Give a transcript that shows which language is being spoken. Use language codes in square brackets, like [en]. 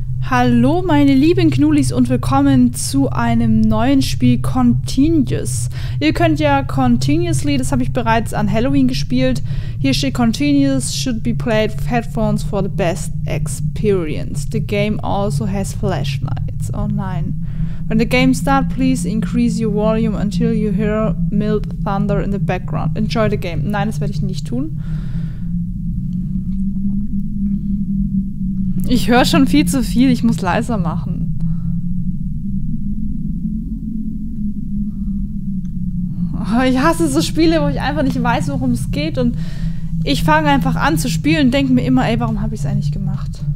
[de] Hallo meine lieben Knulis und willkommen zu einem neuen Spiel Continuous. Ihr könnt ja Continuously, das habe ich bereits an Halloween gespielt. Hier steht [en] Continuous should be played with headphones for the best experience. The game also has flashlights. [de] Oh nein. [en] When the game starts, please increase your volume until you hear mild thunder in the background. Enjoy the game. [de] Nein, das werde ich nicht tun. Ich höre schon viel zu viel, ich muss leiser machen. Ich hasse so Spiele, wo ich einfach nicht weiß, worum es geht. Und ich fange einfach an zu spielen und denke mir immer, ey, warum habe ich es eigentlich gemacht?